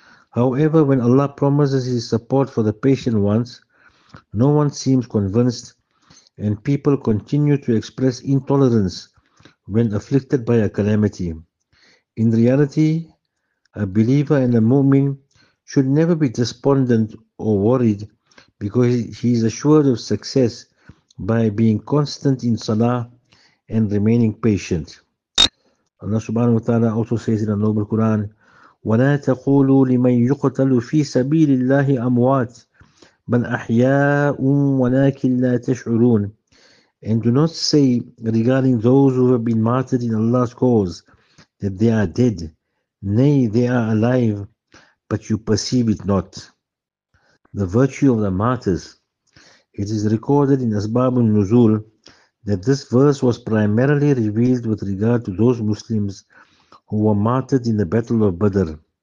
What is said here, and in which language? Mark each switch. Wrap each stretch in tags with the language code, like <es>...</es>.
<en>However, when Allah promises his support for the patient ones, no one seems convinced, and people continue to express intolerance when afflicted by a calamity. In reality, a believer and a mu'min should never be despondent or worried, because he is assured of success by being constant in salah and remaining patient. Allah subhanahu wa ta'ala also says in the Noble Quran,</en> <ar>وَلَا تَقُولُوا لِمَنْ يُقْتَلُ فِي سَبِيلِ اللَّهِ أَمْوَاتٍ بَلْ أَحْيَاءٌ وَلَكِنْ لَا تَشْعُرُونَ.</ar> <en>And do not say regarding those who have been martyred in Allah's cause that they are dead. Nay, they are alive, but you perceive it not. The virtue of the martyrs. It is recorded in Asbab al-Nuzul that this verse was primarily revealed with regard to those Muslims who were martyred in the Battle of Badr.</en>